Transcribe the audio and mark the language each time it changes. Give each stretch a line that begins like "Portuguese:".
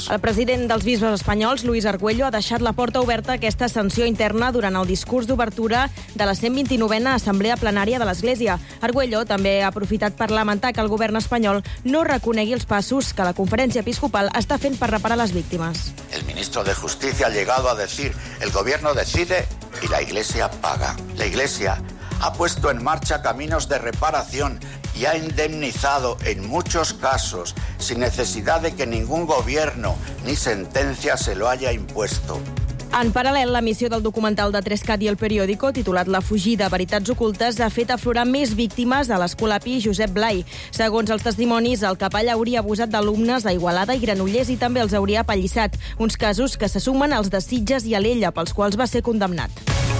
Catalan: El president dels bisbes espanyols, Luis Argüello, ha deixat la porta oberta a aquesta sanció interna durant el discurs d'obertura de la 129a Assemblea Plenària de l'Església. Argüello també ha aprofitat per lamentar que el govern espanyol no reconegui els passos que la Conferència Episcopal està fent per reparar les víctimes.
Spanish: El ministro de Justicia ha llegado a decir: el gobierno decide y la Iglesia paga. La Iglesia ha puesto en marcha caminos de reparación y ha indemnizado en muchos casos sin necesidad de que ningún gobierno ni sentencia se lo haya impuesto.
Catalan: En paral·lel, l'emissió del documental de Trescat i El Periódico, titulat La fugida, veritats ocultes, ha fet aflorar més víctimes a l'Escolapi Josep Blai. Segons els testimonis, el capell hauria abusat d'alumnes a Igualada i Granollers i també els hauria apallissat, uns casos que se sumen als de Sitges i Alella, pels quals va ser condemnat.